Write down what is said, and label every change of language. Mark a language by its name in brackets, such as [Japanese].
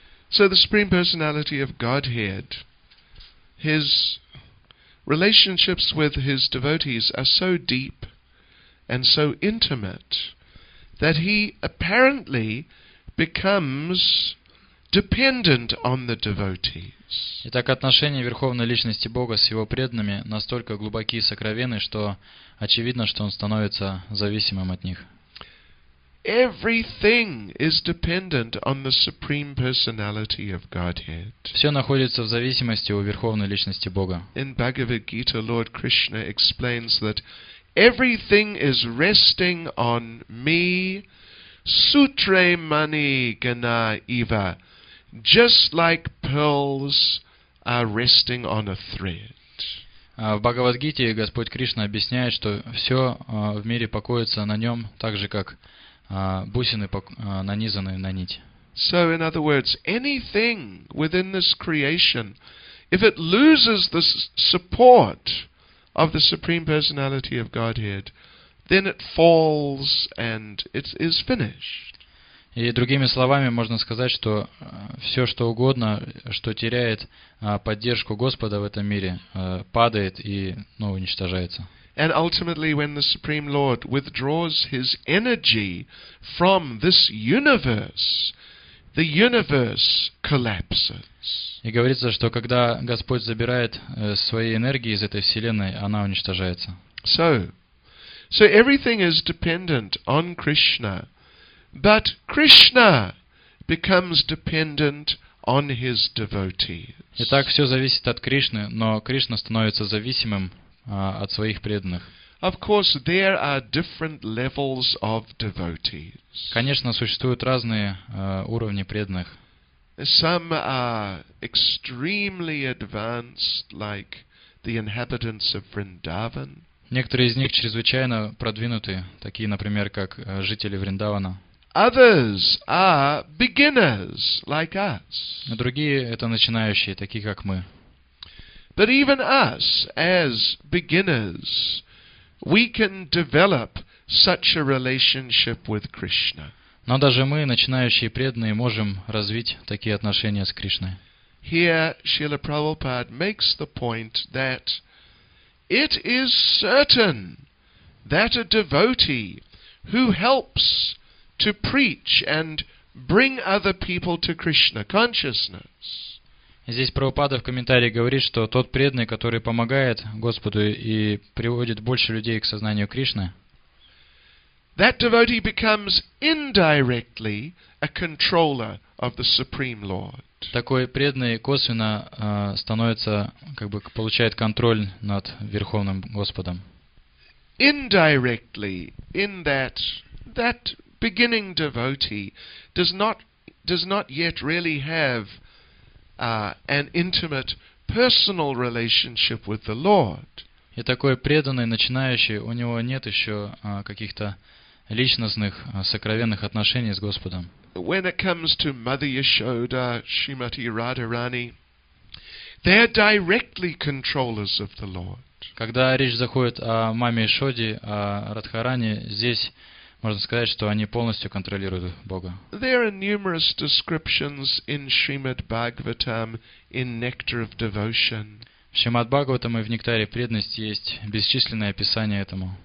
[English] So the Supreme Personality of Godhead, His relationships with His devotees are so deep and so intimate that He apparently becomes dependent on the devotees. [Russian] Итак, отношения Верховной Личности Бога с Его преданными настолько глубоки и сокровенны, что очевидно, что Он становится зависимым от них. [English] Everything is dependent on the supreme personality of Godhead. [Russian] Все находится в зависимости у верховной личности Бога. [English] In Bhagavad Gita, Lord Krishna explains that everything is resting on me. [Sanskrit] Sutre mani gana eva, [English] just like pearls are resting on a thread. [Russian] В Бхагавад-гите Господь Кришна объясняет, что все в мире покоится на нем, так же, как бусины, нанизаны на нить. [English] So, in other words, anything within this creation, if it loses the support of the Supreme Personality of Godhead, then it falls and it is finished. [Russian] И другими словами, можно сказать, что все, что угодно, что теряет поддержку Господа в этом мире, падает и, ну, уничтожается. [English] And ultimately, when the Supreme Lord withdraws his energy from this universe, the universe collapses. [Russian] И говорится, что когда Господь забирает свои энергии из этой вселенной, она уничтожается. [English] So everything is dependent on Krishna. But Krishna becomes dependent on his devotees. [Russian] Итак, все зависит от Кришны, но Кришна становится зависимым от своих преданных. [English] Of course, there are different levels of devotees. [Russian] Конечно, существуют разные уровни преданных. [English] Some are extremely advanced, like the inhabitants of Vrindavan. [Russian] Некоторые из них чрезвычайно продвинуты, такие, например, как жители Вриндавана. [English] Others are beginners like us. [Russian] Другие это начинающие, такие как мы. [English] But even us as beginners, we can develop such a relationship with Krishna. [Russian] Но даже мы, начинающие преданные, можем развить такие отношения с Кришной. [English] Here Srila Prabhupada makes the point that it is certain that a devotee who helps to preach and bring other people to Krishna consciousness. [Russian] Здесь Прабхупада в комментарии говорит, что тот преданный, который помогает Господу и приводит больше людей к сознанию Кришны, [English] that devotee becomes indirectly a controller of the Supreme Lord. [Russian] Такой преданный косвенно становится, как бы получает контроль над Верховным Господом. [English] Indirectly, in that beginning devotee does not yet really have an intimate personal relationship with the Lord. [Russian] И такой преданный начинающий, у него нет еще каких-то личностных сокровенных отношений с Господом. [English] When it comes to Mother Yashoda, Srimati Radharani, they're directly controllers of the Lord. [Russian] Когда речь заходит о маме Ишоде, о Радхаране, здесь можно сказать, что они полностью контролируют Бога. [English] There are numerous descriptions in Srimad Bhagavatam in Nectar of Devotion. [Russian] В Шримад Бхагаватам и в Нектаре преданности есть бесчисленное описание этому.